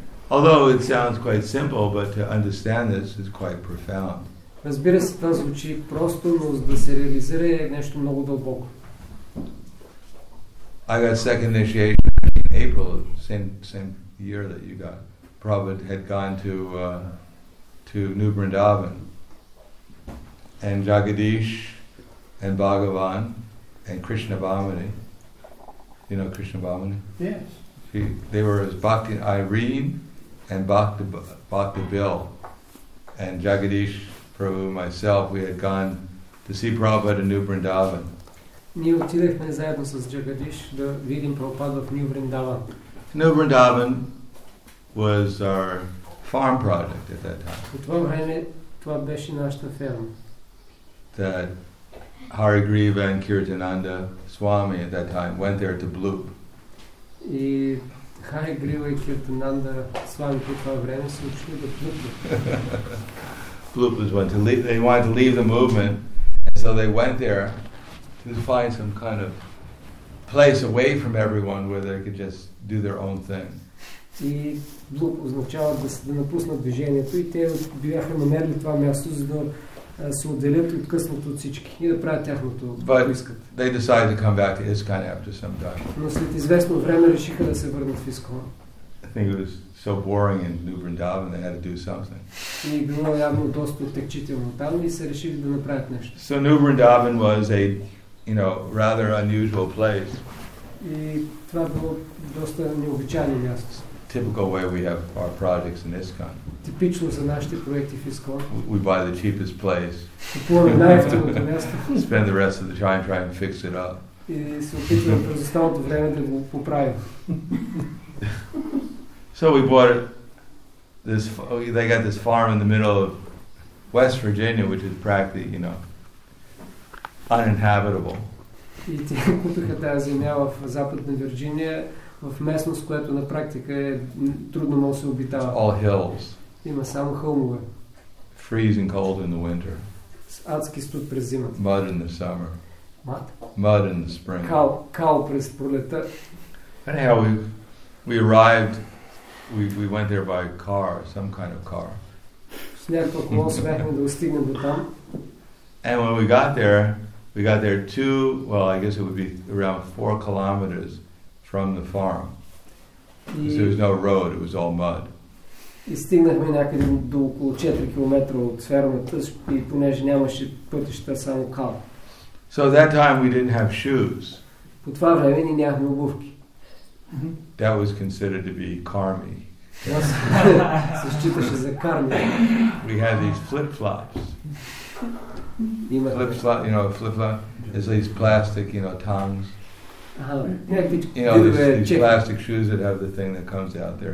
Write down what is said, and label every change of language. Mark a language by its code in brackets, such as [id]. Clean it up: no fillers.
[en] Although it sounds quite simple, but to understand this is quite profound. [bg] Разбира се, това звучи просто, но за да се реализира е нещо много дълбоко. [en] I got second initiation in April, same year that you got. Prabhupada had gone to New Vrindavan. And Jagadish, and Bhagavan, and Krishna Bhamani. You know Krishna Bhamani? Yes. They were as Bhakti Irene and Bhakti Bill. And Jagadish Prabhu, myself, we had gone to see Prabhupada in New Vrindavan. [bg] Ние отидехме заедно с Джагадиш да видим Прабхупада в New Vrindavan. [en] New Vrindavan was our farm project at that time. That Hari Griva and Kirtananda Swami at that time went there to Bloop. Bloop was one to leave. They wanted to leave the movement, and so they went there to find some kind of place away from everyone where they could just do their own thing. [bg] И Блуп означава да напуснат движението и те бяха намерили това място, за да се отделят от късното от всички и да правят тяхното, което искат. [en] They decided to come back to ISKCON after some time. [bg] Но след известно време решиха да се върнат в ИСКОН. [en] I think it was so boring in New Vrindavan, they had to do something. [bg] И било явно доста отекчително там и се решили да направят нещо. [en] So New Vrindavan was a, you know, rather unusual place. [bg] И това било доста необичайно място. [en] Typical way we have our projects in ISKCON. [bg] Типично за нашите проекти в ИСКОН. [en] We buy the cheapest place. [bg] Купуваме най-евтиното място. [en] Spend the rest of the time trying to fix it up. [bg] И се опитваме през останалото време да го поправим. [en] So we bought this. They got this farm in the middle of West Virginia, which is practically, you know, uninhabitable. [bg] И те купиха тази земя в Западна Вирджиния. В местност, която на практика е трудно може да се обитава. [en] All hills. [bg] Има само хълмове. [en] Freezing cold in the winter. [bg] Адски студ през зимата. [en] Mud in the summer. Mud. Mud in the spring. [bg] Кал през пролета. [en] Anyhow, we arrived. We went there by car, some kind of car. [bg] С някакво колело успяхме да достигнем до там. [en] And when we got there two. Well, I guess it would be around 4 kilometers. From the farm. So there was no road, it was all mud. [bg] И стигнахме някъде до около 4 км от фермата, и понеже нямаше пътища, само кал. [en] So at that time we didn't have shoes. [bg] По това време ние нямахме обувки. [en] That was considered to be karmi. [bg] Се считаше за карми. [en] We had these flip-flops. Flip-flop, you know, flip-flop. There's these plastic, you know, tongues. You know, these plastic shoes that have the thing that comes out there.